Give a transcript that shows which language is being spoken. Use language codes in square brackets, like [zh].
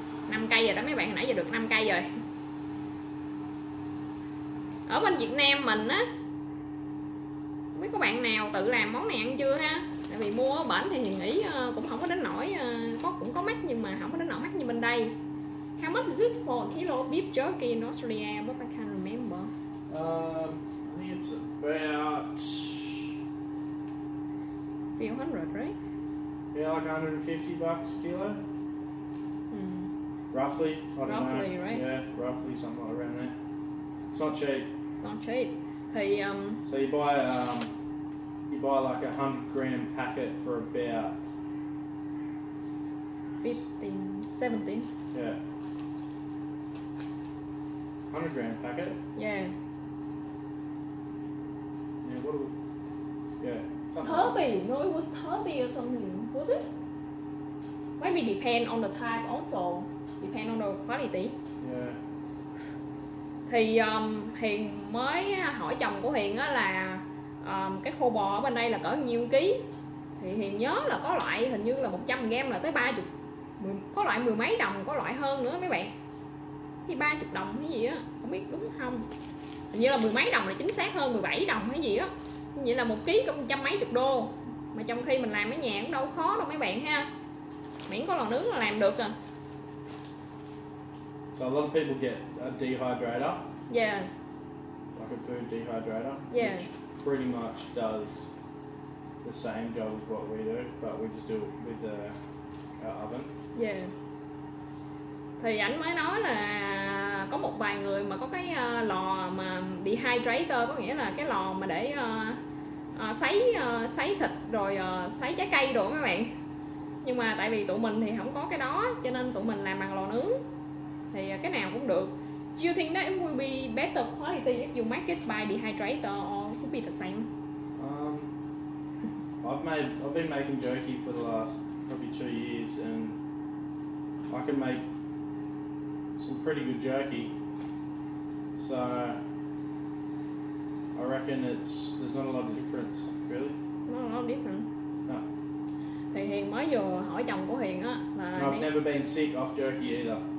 [vi] 5 cây rồi đó mấy bạn, hồi nãy giờ được 5 cây rồi. Ở bên Việt Nam mình á, mấy các bạn nào tự làm món này ăn chưa ha? Tại vì mua ở bển thì Hiền nghĩ cũng không có đến nỗi, có cũng có mắc nhưng mà không có đến nỗi mắc như bên đây. [en] How much is it for a kilo of beef jerky in Australia? But I can't remember. I think it's about few hundred, right? Yeah, like $150 a kilo. Roughly, I don't roughly, know. Roughly, right? Yeah, roughly somewhere around there. It's not cheap. It's not cheap. [vi] Thì, [en] so you buy like a 100-gram packet for about 15, 17. Yeah. 100-gram packet. Yeah. Yeah. What? Something. 30. No, it was 30 or something, was it? Maybe depend on the type also, depend on the quality. Yeah. [vi] Thì Hiền mới hỏi chồng của Hiền á là cái khô bò ở bên đây là cỡ nhiêu ký. Thì Hiền nhớ là có loại hình như là 100g là tới 30, có loại mười mấy đồng, có loại hơn nữa mấy bạn. Thì 30 đồng hay gì á, không biết đúng không. Hình như là mười mấy đồng là chính xác hơn, 17 đồng hay gì á. Vậy là một ký có 100 mấy đô. Mà trong khi mình làm ở nhà cũng đâu khó đâu mấy bạn ha. Miễn có lò nướng là làm được à. [en] So a lot of people get a dehydrator. Yeah. Like a food dehydrator. Yeah. Which pretty much does the same job as what we do, but we just do it with our oven. Yeah. [vi] Thì ảnh mới nói là có một vài người mà có cái lò mà dehydrator, có nghĩa là cái lò mà để sấy sấy thịt rồi sấy trái cây đồ mấy bạn. Nhưng mà tại vì tụi mình thì không có cái đó, cho nên tụi mình làm bằng lò nướng. Thì cái nào cũng được. [en] Do you think that it will be better quality if you make it by dehydrator or it will be the same? I've been making jerky for the last probably 2 years and I can make some pretty good jerky. So I reckon there's not a lot of difference, really. Not a lot of difference. No. [vi] Thì Hiền mới vừa hỏi chồng của Hiền á là [en] no, I've never been sick off jerky either.